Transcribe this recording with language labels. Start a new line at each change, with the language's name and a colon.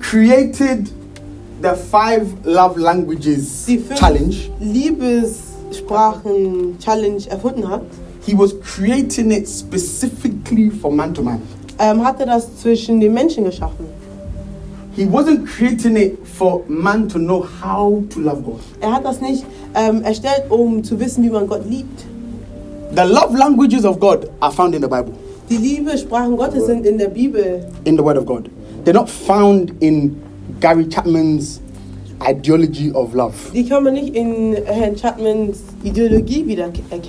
English: Created the five love languages challenge.
German: Liebessprachen challenge erfunden hat.
English: He was creating it specifically for man to man.
German: hat er das zwischen den Menschen geschaffen.
English: He wasn't creating it for man to know how to love God.
German: Er hat das nicht erstellt, um zu wissen, wie man Gott liebt.
English: The love languages of God are found in the Bible.
German: Die Liebessprachen Gottes sind in der Bibel.
English: In the Word of God. They're not found in Gary Chapman's ideology of love.
German: Die kann man nicht in Herrn Chapmans Ideologie wieder erkennen.